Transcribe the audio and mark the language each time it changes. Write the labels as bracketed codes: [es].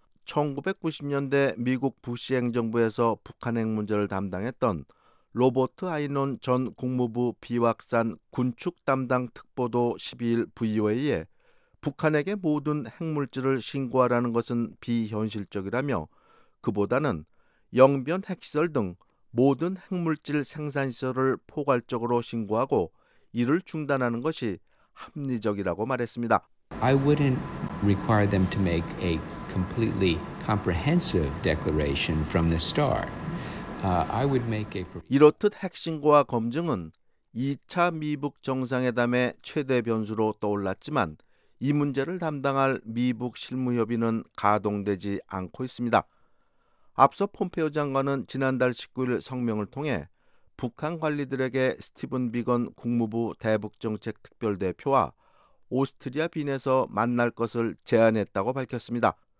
[ko] 1990년대 미국 부시 행정부에서 북한 핵 문제를 담당했던 로버트 아이논 전 국무부 비확산 군축 담당 특보도 12일 VOA에 북한에게 모든 핵물질을 신고하라는 것은 비현실적이라며 그보다는 영변 핵시설 등 모든 핵물질 생산시설을 포괄적으로 신고하고 이를 중단하는 것이 합리적이라고 말했습니다. [en] I wouldn't require them to make a completely comprehensive declaration from the start. I would make a [ko] 이렇듯 핵신고와 검증은 2차 미북 정상회담의 최대 변수로 떠올랐지만 이 문제를 담당할 미북 실무협의는 가동되지 않고 있습니다. 앞서 폼페이오 장관은 지난달 19일 성명을 통해 북한 관리들에게 스티븐 비건 국무부 대북정책특별대표와 오스트리아 빈에서 만날 것을 제안했다고 밝혔습니다.